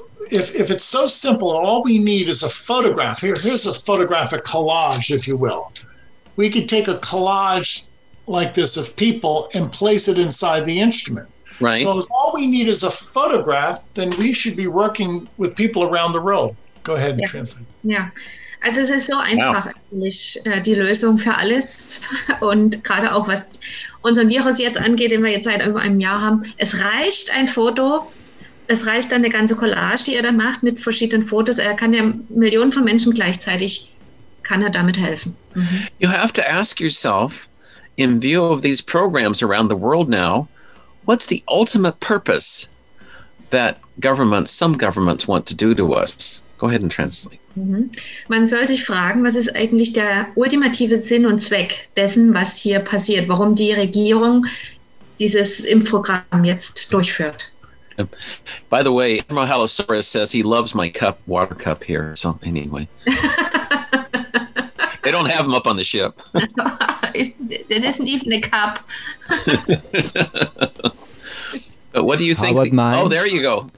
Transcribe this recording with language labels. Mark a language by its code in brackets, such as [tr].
[en] If it's so simple, all we need is a photograph. Here's a photographic collage, if you will. We could take a collage like this of people and place it inside the instrument. Right. So if all we need is a photograph, then we should be working with people around the world. Go ahead and translate. Yeah. [de] Also es ist so einfach eigentlich, die Lösung für alles und gerade auch was unseren Virus jetzt angeht, den wir jetzt seit über einem Jahr haben. Es reicht ein Foto, es reicht dann eine ganze Collage, die er dann macht mit verschiedenen Fotos. Er kann ja Millionen von Menschen gleichzeitig, kann er damit helfen. [en] You have to ask yourself, in view of these programs around the world now, what's the ultimate purpose that some governments want to do to us? Go ahead and translate. [de] Man soll sich fragen, was ist eigentlich der ultimative Sinn und Zweck dessen, was hier passiert, warum die Regierung dieses Impfprogramm jetzt durchführt. [en] By the way, Admiral Halosaurus says he loves my water cup here, so anyway. They don't have him up on the ship. It isn't even a cup. But what do you think? Mine? Oh, there you go.